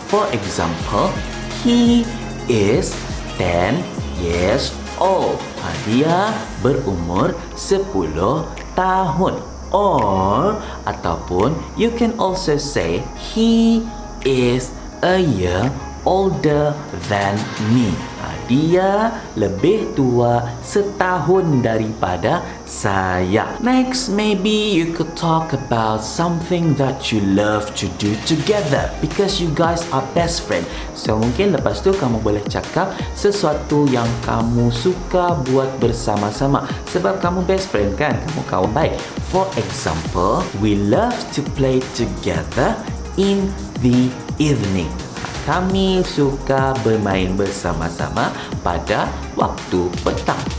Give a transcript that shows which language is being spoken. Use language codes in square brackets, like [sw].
[en] For example, he is 10 years old. [ms] Dia berumur 10 tahun. [en] Or, [ms] ataupun, [en] you can also say, he is a year older than me. [ms] Dia lebih tua setahun daripada saya. [en] Next, maybe you could talk about something that you love to do together because you guys are best friends. [ms] So, mungkin lepas tu kamu boleh cakap sesuatu yang kamu suka buat bersama-sama sebab kamu best friend kan? Kamu kawan baik. [en] For example, we love to play together in the evening. [ms] Kami suka bermain bersama-sama pada waktu petang.